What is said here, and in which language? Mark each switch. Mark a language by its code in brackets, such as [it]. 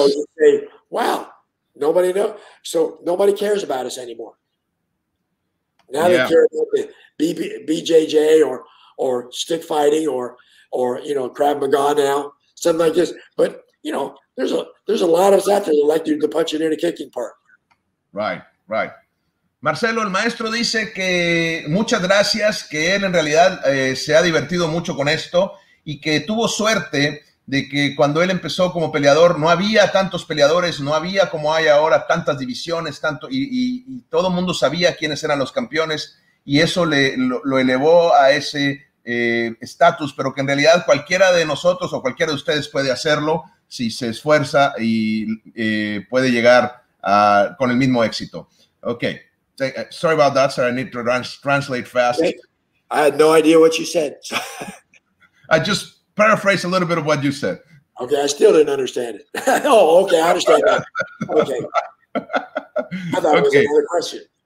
[en] So you say, wow, nobody know. So nobody cares about us anymore. Now they care about the BJJ or stick fighting or you know, Krav Maga now, something like this. But, you know, there's a lot of us out there that like to do the punching and the kicking part. Right, right. [es] Marcelo, el maestro dice que muchas gracias, que él en realidad se ha divertido mucho con esto y que tuvo suerte de que cuando él empezó como peleador no había tantos peleadores, no había como hay ahora tantas divisiones, tanto y todo el mundo sabía quiénes eran los campeones y eso lo elevó a ese estatus, pero que en realidad cualquiera de nosotros o cualquiera de ustedes puede hacerlo si se esfuerza y puede llegar a, con el mismo éxito. [en] Okay, sorry about that, sir. I need to translate fast. I had no idea what you said. I just paraphrase a little bit of what you said. Okay, I still didn't understand it. Oh, okay, I understand that. Okay. I thought it was another question.